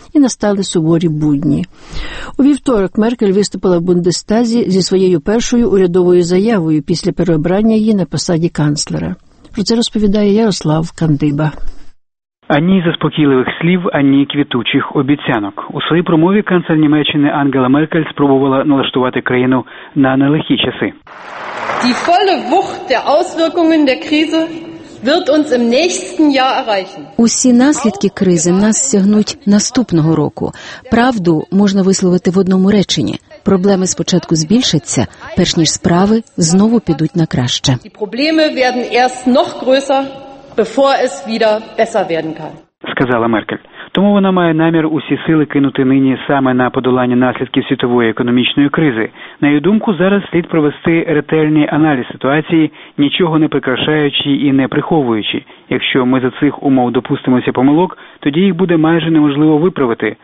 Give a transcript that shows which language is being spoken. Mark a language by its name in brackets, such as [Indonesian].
[Ukrainian] І настали суворі будні. У вівторок Меркель виступила в Бундестазі зі своєю першою урядовою заявою після переобрання її на посаді канцлера. Про це розповідає Ярослав Кандиба. Ані заспокійливих слів, ані квітучих обіцянок. У своїй промові канцлер Німеччини Ангела Меркель спробувала налаштувати країну на нелегкі часи. [German] Die volle Wucht der Auswirkungen der Krise wird uns im nächsten Jahr erreichen. [Ukrainian] Усі наслідки кризи нас стягнуть наступного року. Правду можна висловити в одному реченні. Проблеми спочатку збільшаться, перш ніж справи знову підуть на краще. [German] Die Probleme werden erst noch größer, bevor es wieder besser werden kann. [Ukrainian] Сказала Меркель. Тому вона має намір усі сили кинути нині саме на подолання наслідків світової економічної кризи. На її думку, зараз слід провести ретельний аналіз ситуації, нічого не прикрашаючи і не приховуючи. Якщо ми за цих умов допустимося помилок, тоді їх буде майже неможливо виправити.